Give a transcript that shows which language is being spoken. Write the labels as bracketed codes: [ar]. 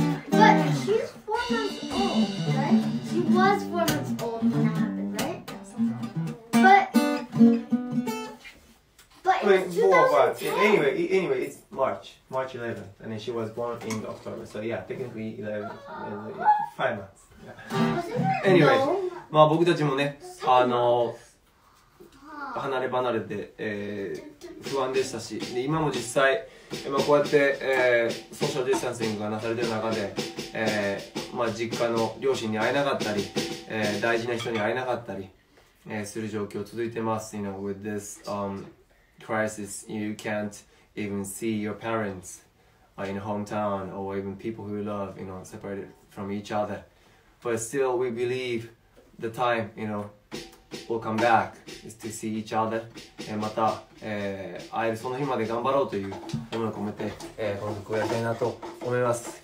[en] But she's 4 months old, right? She was 4 months old when that happened, right? That was so wrong. Anyway, it's March 11th, and then she was born in October, so yeah, technically 5 months. Yeah. [ja] Anyway, まあ僕たちもね、離れ離れで、不安でしたし、で今も実際、まあ、こうやって、ソーシャルディスタンシングがなされてる中で、まあ、実家の両親に会えなかったり、大事な人に会えなかったり、する状況続いてます。 [en] You know, with this, crisis, you can't even see your parents in hometown or even people who you love, you know, separated from each other. But still, we believe the time, you know, will come back is to see each other. [ja] And また、会えるその日まで頑張ろうという思いを込めて、この曲をやりたいなと思います。